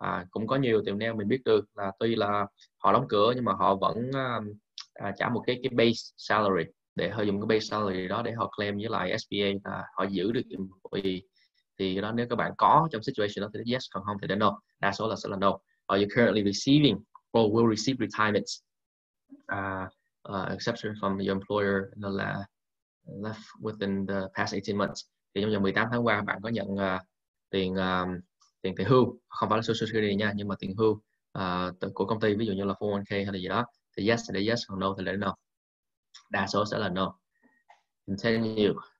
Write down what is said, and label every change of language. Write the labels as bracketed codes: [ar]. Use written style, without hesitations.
[vi] Cũng có nhiều tiệm nail mình biết được là tuy là họ đóng cửa nhưng mà họ vẫn trả một cái base salary, để họ dùng cái base salary đó để họ claim với lại SBA là họ giữ được employee. Thì đó, nếu các bạn có trong situation đó thì yes, còn không thì no, đa số là sẽ là no. [en] Are you currently receiving or will receive retirements exception from your employer là left within the past 18 months. [vi] Thì trong vòng 18 tháng qua bạn có nhận tiền tiền tiền hưu, không phải là social security nha, nhưng mà tiền hưu của công ty, ví dụ như là 401k hay là gì đó, thì yes thì yes, còn no thì là no. Đa số sẽ là no. Continue.